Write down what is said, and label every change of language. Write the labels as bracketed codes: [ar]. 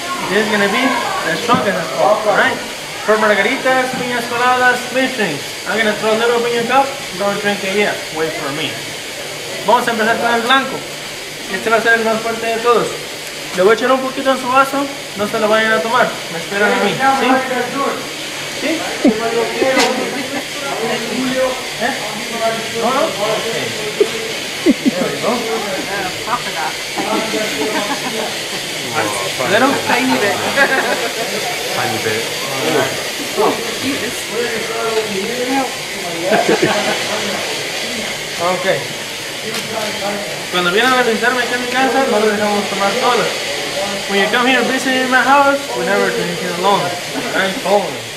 [en] This is gonna be the strongest of all, right? For margaritas, piñas coladas, mixed drinks. I'm gonna throw a little piña cup, don't drink it yet. Wait for me. [es] Vamos a empezar con el Blanco. Este va a ser el más fuerte de todos. Le voy a echar un poquito en su vaso, no se lo vayan a tomar, me esperan a mí, ¿sí? ¿Sí? ¿Eh? ¿No? [en] Okay. There we go. Tiny bit. Tiny bit. Okay. [es] Cuando vienen a visitarme aquí en mi casa, no lo dejamos tomar solo. [en] When you come here visiting my house, we never drink it alone. I ain't following.